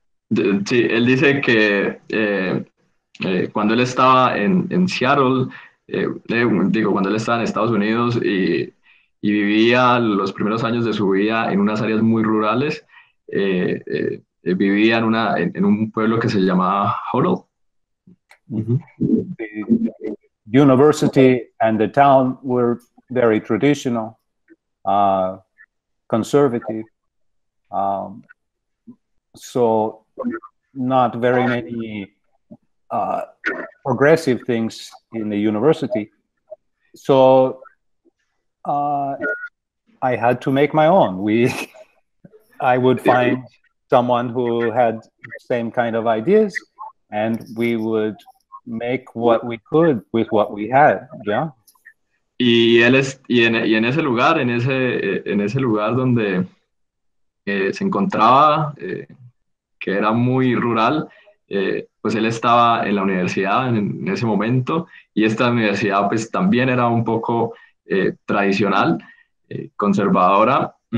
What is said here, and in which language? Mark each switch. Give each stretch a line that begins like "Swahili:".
Spanish: Sí, él dice que cuando él estaba en Seattle, cuando él estaba en Estados Unidos y vivía los primeros años de su vida en unas áreas muy rurales, vivía en un pueblo que se llamaba Hoddle.
English: The university and the town were very traditional, conservative, so not very many progressive things in the university. So I had to make my own. I would find someone who had the same kind of ideas, and we would make what we could with what we had. Yeah.
Spanish: Y él es y en ese lugar, en ese lugar donde se encontraba, que era muy rural, pues él estaba en la universidad en ese momento, y esta universidad pues también era un poco tradicional, conservadora,